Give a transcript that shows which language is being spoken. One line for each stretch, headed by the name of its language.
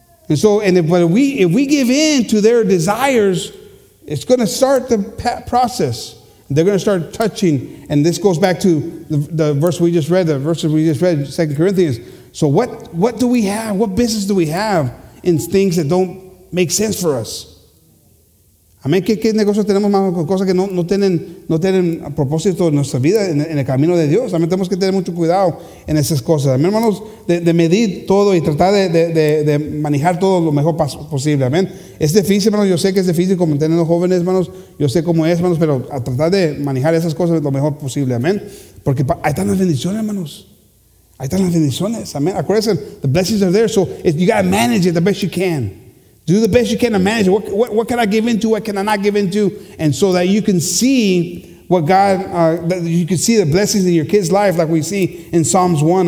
English: And so, if we give in to their desires, it's going to start the process. They're going to start touching. And this goes back to the verses we just read, 2 Corinthians. So what do we have? What business do we have in things that don't make sense for us?
Spanish: Amén. ¿Qué negocios tenemos más con cosas que no tienen propósito en nuestra vida en el camino de Dios? También tenemos que tener mucho cuidado en esas cosas. Amén, hermanos, de medir todo y tratar de manejar todo lo mejor posible. Amén. Es difícil, hermanos. Yo sé que es difícil como tener los jóvenes, hermanos. Yo sé cómo es, hermanos, pero a tratar de manejar esas cosas lo mejor posible. Amén. Porque ahí están las bendiciones, hermanos. Ahí están las bendiciones. Amén.
English: Acuérdense, the blessings are there. So you got to manage it the best you can. Do the best you can to manage. What can I give into? What can I not give into? And so that you can see what God, that you can see the blessings in your kid's life like we see in Psalms 1.